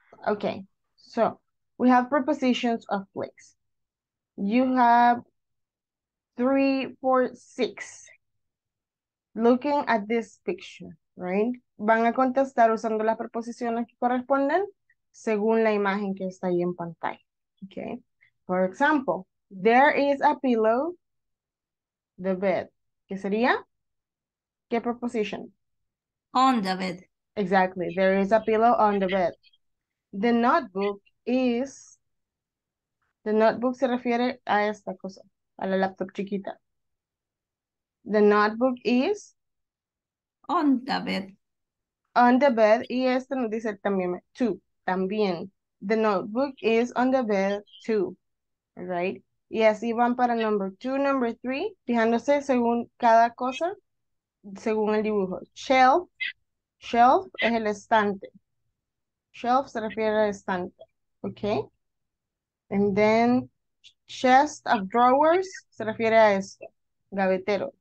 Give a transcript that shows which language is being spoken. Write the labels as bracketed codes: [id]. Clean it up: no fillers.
[en] Okay. So, we have prepositions of place. You have 3, 4, 6. Looking at this picture, right? [es] Van a contestar usando las preposiciones que corresponden según la imagen que está ahí en pantalla. [en] Okay. For example, there is a pillow, the bed. [es] ¿Qué sería? ¿Qué preposition? [en] On the bed. Exactly. There is a pillow on the bed. The notebook is, the notebook [es] se refiere a esta cosa, a la laptop chiquita. [en] The notebook is on the bed. On the bed, [es] y esto nos dice también, too, también. [en] The notebook is on the bed, too, right? [es] Y así van para [en] number two, number three, [es] fijándose según cada cosa, según el dibujo. Shelf, shelf es el estante. Shelf se refiere a estante, okay? [en] And then chest of drawers [es] se refiere a esto, gavetero.